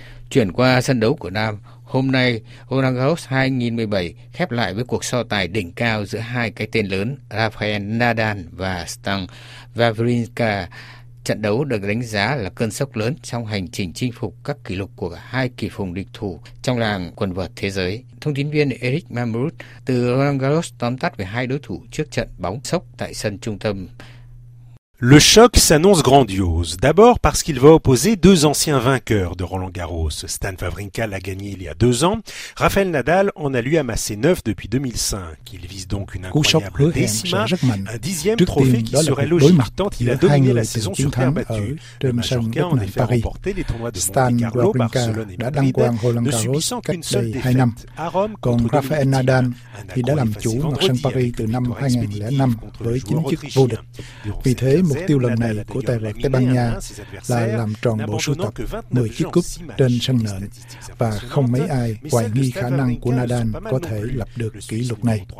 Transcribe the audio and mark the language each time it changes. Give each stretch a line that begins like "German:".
Vietnamese: Chuyển qua sân đấu của nam, hôm nay Roland Garros 2017 khép lại với cuộc so tài đỉnh cao giữa hai cái tên lớn Rafael Nadal và Stan Wawrinka. Trận đấu được đánh giá là cơn sốc lớn trong hành trình chinh phục các kỷ lục của hai kỳ phùng địch thủ trong làng quần vợt thế giới. Thông tin viên Eric Mamrud từ Roland Garros tóm tắt về hai đối thủ trước trận bóng sốc tại sân trung tâm.
French: Le choc s'annonce grandiose. D'abord parce qu'il va opposer deux anciens vainqueurs de Roland-Garros. Stan Wawrinka l'a gagné il y a 2 ans. Rafael Nadal en a lui amassé 9 depuis 2005. Il vise donc une incroyable décima, un 10e trophée qui serait logique tant il a dominé la saison sur terre battue. Le Majorquin en effet remporté les tournois de Monte Carlo, Barcelone et Madrid, ne subissant qu'une seule défaite à Rome contre Rafael Nadal. Il a
Vietnamese: làm chủ Majorquin Paris từ năm 2005 với 9 chức vô địch. Vì thế, mục tiêu lần này của tài vợt Tây Ban Nha là làm tròn bộ sưu tập 10 chiếc cúp trên sân nền và không mấy ai hoài nghi khả năng của Nadal có thể lập được kỷ lục này.